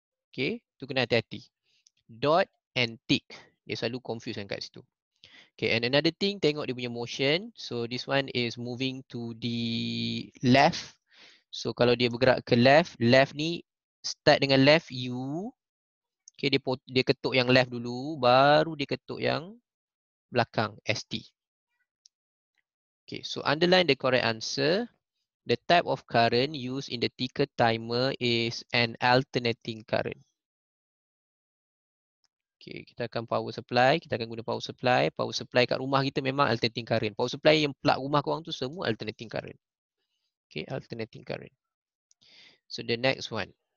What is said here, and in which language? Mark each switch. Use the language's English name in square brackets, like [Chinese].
[Malay] Okay, tu kena hati-hati. [English] Dot and tick. [Malay] Dia selalu confuse kan kat situ. [English] Okay, and another thing, [Malay] tengok dia punya [English] motion. So this one is moving to the left. [Malay] So kalau dia bergerak ke left, left ni start dengan left U. Okay, dia ketuk yang left dulu, baru dia ketuk yang belakang, ST. [English] Okay, so underline the correct answer. The type of current used in the ticker timer is an alternating current. [Malay] Okay, kita akan power supply. Kita akan guna power supply. Power supply kat rumah kita memang alternating current. Power supply yang plug rumah korang tu semua alternating current. Okay, alternating current. So the next one.